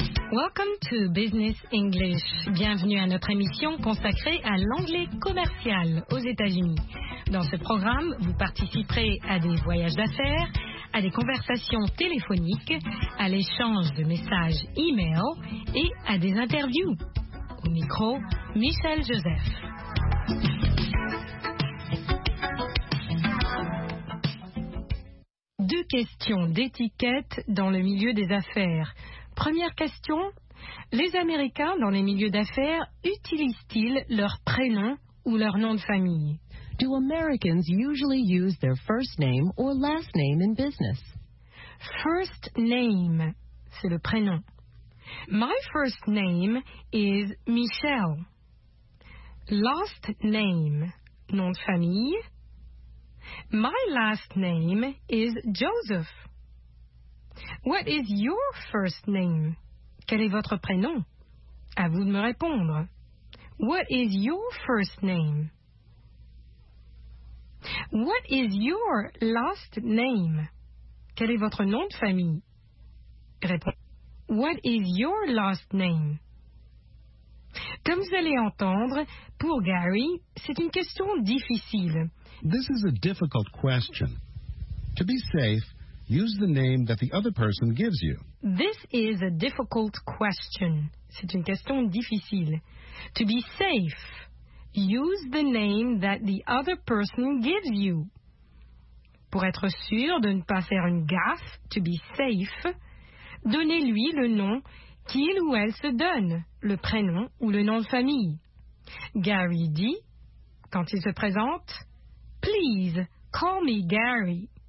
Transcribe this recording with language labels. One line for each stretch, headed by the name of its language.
English: Welcome to Business English.
French: Bienvenue à notre émission consacrée à l'anglais commercial aux États-Unis. Dans ce programme, vous participerez à des voyages d'affaires, à des conversations téléphoniques, à l'échange de messages e-mail et à des interviews. Au micro, Michel Joseph. Deux questions d'étiquette dans le milieu des affaires. Première question, les Américains dans les milieux d'affaires utilisent-ils leur prénom ou leur nom de famille?
English: Do Americans usually use their first name or last name in business? First name,
French: c'est le prénom.
English: My first name is Michelle.
French: Last name, nom de famille.
English: My last name is Joseph. What is your first name?
French: Quel est votre prénom? À vous de me répondre.
English: What is your first name? What is your last name?
French: Quel est votre nom de famille? Répondez.
English: What is your last name?
French: Comme vous allez entendre, pour Gary, c'est une question difficile.
English: This is a difficult question. To be safe, use the name that the other person gives you. This is a difficult question.
French: C'est une question difficile.
English: To be safe, use the name that the other person gives you.
French: Pour être sûr de ne pas faire une gaffe,
English: to be safe,
French: donnez-lui le nom qu'il ou elle se donne, le prénom ou le nom de famille. Gary dit, quand il se présente,
English: please call me Gary.